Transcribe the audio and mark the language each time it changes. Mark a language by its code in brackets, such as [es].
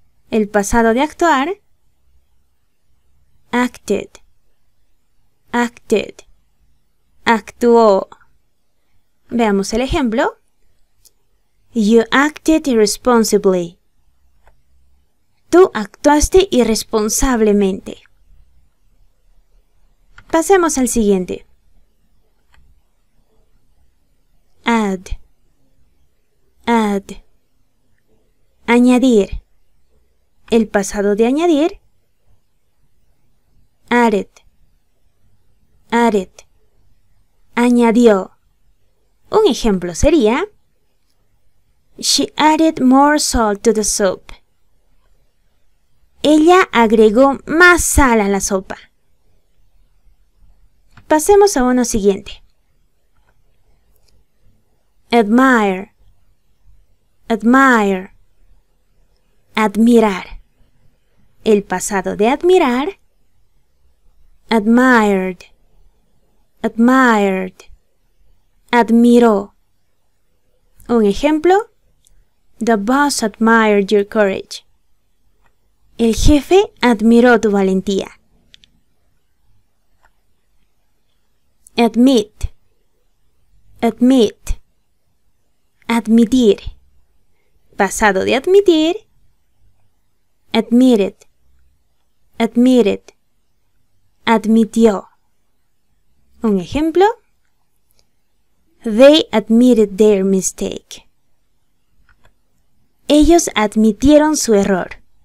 [es] El pasado de actuar. Acted. Acted. Actuó. Veamos el ejemplo. [en] You acted irresponsibly. [es] Tú actuaste irresponsablemente. Pasemos al siguiente. [en] Add. Add. Añadir. [es] El pasado de añadir. [en] Added. Added. Añadió. [es] Un ejemplo sería. [en] She added more salt to the soup. [es] Ella agregó más sal a la sopa. Pasemos a uno siguiente. [en] Admire. Admire. Admirar. [es] El pasado de admirar. Admired. Admired. Admiró. Un ejemplo. [en] The boss admired your courage. [es] El jefe admiró tu valentía. [en] Admit. Admit. Admitir. [es] Pasado de admitir. Admitted. Admitted. Admitió. Un ejemplo. [en] They admitted their mistake. [es] Ellos admitieron su error.